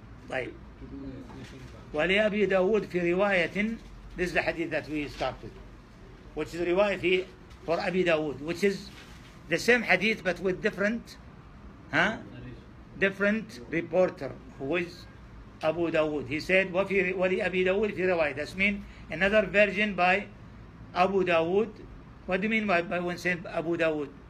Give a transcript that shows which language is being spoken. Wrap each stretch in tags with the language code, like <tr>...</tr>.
<ar>طيب. ولأبي داود في رواية.</ar> <en>This is the hadith that we started, which is رواية for أبي داود, which is the same hadith but with different reporter who is أبو داود. He said</en> <ar>ولأبي داود في رواية.</ar> <en>That means another version by أبو داود. What do you mean by when saying Abu Dawood?</en>